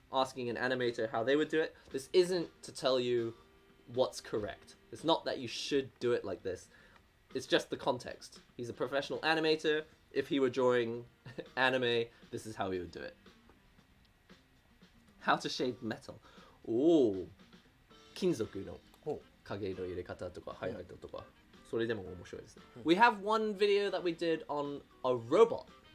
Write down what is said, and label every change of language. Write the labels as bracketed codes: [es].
[en] Asking an animator how they would do it. This isn't to tell you what's correct. It's not that you should do it like this. It's just the context. He's a professional animator. If he were drawing anime, this is how he would do it. How to shade metal. Ooh. [ja] 金属の影の入れ方とかハイライトとかそれでも面白いですね。 [en] We have one video that we did on a robot.